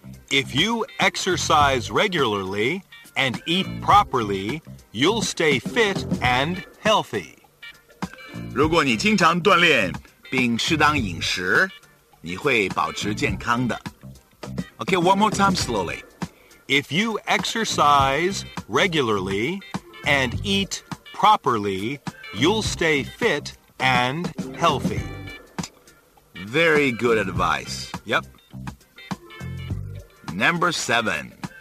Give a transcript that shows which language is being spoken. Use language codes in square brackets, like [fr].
[en] If you exercise regularly and eat properly, you'll stay fit and healthy. [zh] 如果你经常锻炼并适当饮食，你会保持健康的。 [en] Okay, one more time slowly. If you exercise regularly and eat properly, you'll stay fit and healthy. Very good advice. Yep. Number 7.